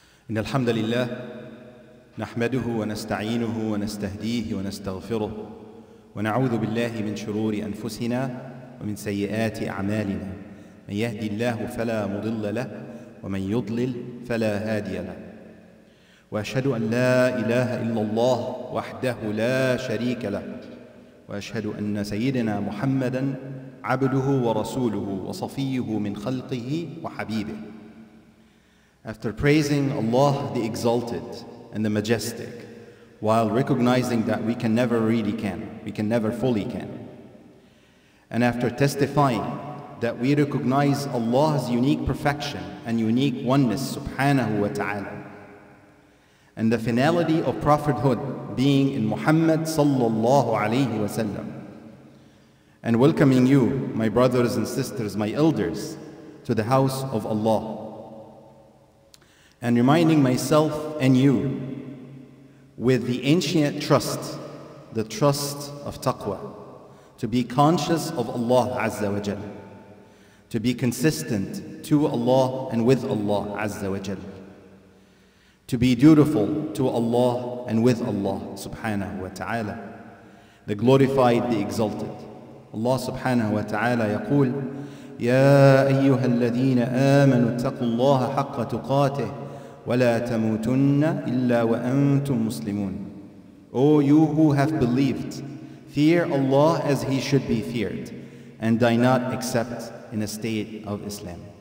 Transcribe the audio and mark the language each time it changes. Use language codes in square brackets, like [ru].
[ar] إن الحمد لله نحمده ونستعينه ونستهديه ونستغفره ونعوذ بالله من شرور أنفسنا ومن سيئات أعمالنا من يهدي الله فلا مضل له ومن يضلل فلا هادي له وأشهد أن لا إله إلا الله وحده لا شريك له وأشهد أن سيدنا محمدًا عبده ورسوله وصفيه من خلقه وحبيبه. [en] After praising Allah the Exalted and the Majestic, while recognizing that we can never really can, we can never fully can, and after testifying that we recognize Allah's unique perfection and unique oneness, subhanahu wa ta'ala, and the finality of prophethood being in Muhammad sallallahu alayhi wa sallam, and welcoming you, my brothers and sisters, my elders, to the house of Allah, and reminding myself and you with the ancient trust, the trust of taqwa, to be conscious of Allah Azza wa Jal, to be consistent to Allah and with Allah Azza wa Jal, to be dutiful to Allah and with Allah Subhanahu wa Ta'ala, the glorified, the exalted. [ar] Allah subhanahu wa ta'ala يقول يا أيها الذين آمنوا اتقوا الله حق تقاته ولا تموتن إلا وأنتم مسلمون. [en] O you who have believed, fear Allah as He should be feared, and die not except in a state of Islam.